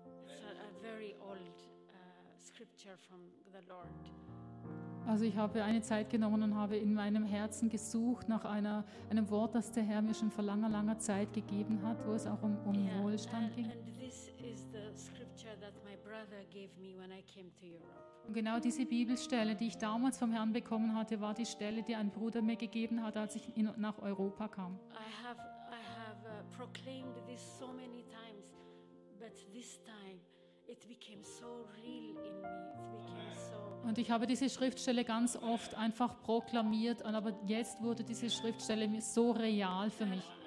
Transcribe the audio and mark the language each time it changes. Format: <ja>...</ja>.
<en>It's a very old scripture from the Lord.</en> <de>Also ich habe eine Zeit genommen und habe in meinem Herzen gesucht nach einem Wort, das der Herr mir schon vor langer, langer Zeit gegeben hat, wo es auch um yeah, Wohlstand ging.</de> <en>And this is the scripture that my brother gave me when I came to Europe.</en> <de>Und genau diese Bibelstelle, die ich damals vom Herrn bekommen hatte, war die Stelle, die ein Bruder mir gegeben hat, als ich nach Europa kam.</de> <en>I have proclaimed this so many times, but this time it became so real in me. It became so.</en> <de>Und ich habe diese Schriftstelle ganz oft einfach proklamiert, aber jetzt wurde diese Schriftstelle so real für mich.</de>